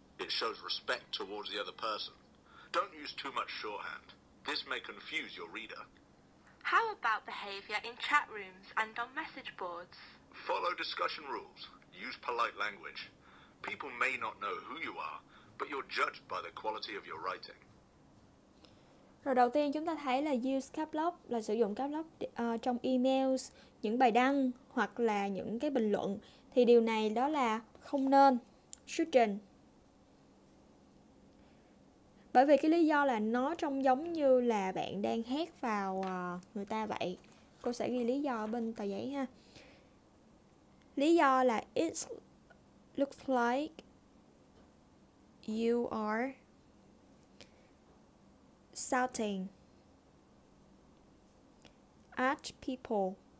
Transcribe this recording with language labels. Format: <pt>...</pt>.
<en>It shows respect towards the other person. Don't use too much shorthand. This may confuse your reader. How about behavior in chat rooms and on message boards? Follow discussion rules. Use polite language. People may not know who you are, but you're judged by the quality of your writing.</en> <vi>Rồi đầu tiên chúng ta thấy là use caplock là sử dụng caplock trong emails, những bài đăng hoặc là những cái bình luận. Thì điều này đó là không nên, shouldn't. Bởi vì cái lý do là nó trông giống như là bạn đang hét vào người ta vậy. Cô sẽ ghi lý do bên tờ giấy ha. Lý do là</vi> <en>it looks like you are shouting at people.</en>